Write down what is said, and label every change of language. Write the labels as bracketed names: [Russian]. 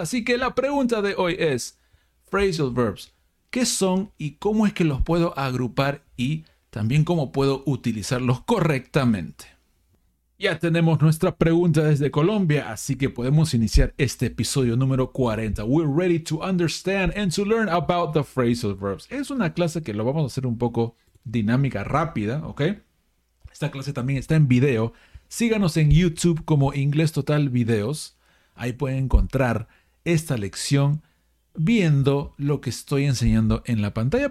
[Spanish] Así que la pregunta de hoy es phrasal verbs. ¿Qué son y cómo es que los puedo agrupar y también cómo puedo utilizarlos correctamente? Ya tenemos nuestra pregunta desde Colombia, así que podemos iniciar este episodio número 40. [English] We're ready to understand and to learn about the phrasal verbs. [Spanish] Es una clase que lo vamos a hacer un poco dinámica, rápida, ¿ok? Esta clase también está en video. Síganos en YouTube como Inglés Total Videos. Ahí pueden encontrar esta lección viendo lo que estoy enseñando en la pantalla.